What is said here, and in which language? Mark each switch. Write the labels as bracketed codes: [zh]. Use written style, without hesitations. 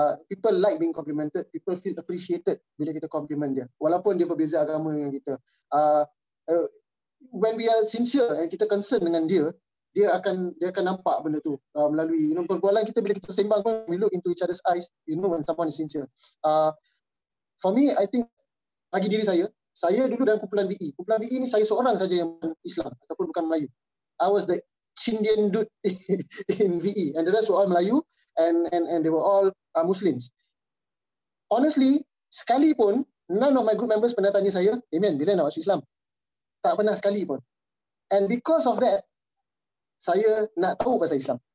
[en] People like being complimented. People feel appreciated [ms] bila kita compliment dia. Walaupun dia berbeza agama dengan kita. [en] When we are sincere and [ms] kita concern dengan dia, dia akan nampak benda tu melalui, you know, perbualan kita. Bila kita sembang, [en] we look into each other's eyes, you know when someone is sincere. For me, I think, [ms] bagi diri saya, saya dulu dalam kumpulan VE. Kumpulan VE ni saya seorang saja yang Islam ataupun bukan Melayu. [en] I was the Chindian dude in VE. And the rest were all Melayu and they were all Muslims. [ms] Honestly, sekalipun, [en] none of my group members [ms] pernah tanya saya, Damien, bila nak masuk Islam? Tak pernah sekali pun. [en] And because of that, [ms] saya nak tahu pasal Islam.